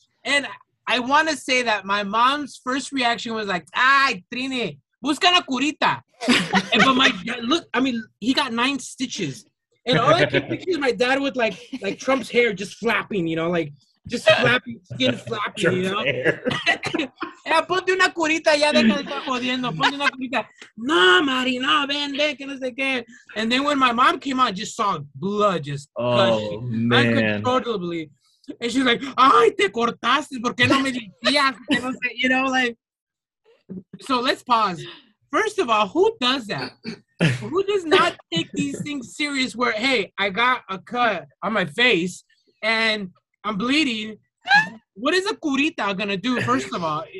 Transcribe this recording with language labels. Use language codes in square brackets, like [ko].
[en] And I want to say that my mom's first reaction was like, [es] ay, Trini, busca la curita. [en] But my dad, look, I mean, he got 9 stitches. And all I can picture is my dad with like Trump's hair just flapping, you know, like, just skin flapping, you know? [es] Yeah, ponte una curita ya, deja de estar jodiendo. Ponte una curita. No, Mari, no, ven, que no sé qué. [en] And then when my mom came out, I just saw blood just gushing. Uncontrollably. And she's like, [es] ay, te cortaste, ¿por qué no me decías? [en] You know, like, so let's pause. First of all, who does that? Who does not take these things serious where, hey, I got a cut on my face and I'm bleeding. What is a curita gonna do, first of all?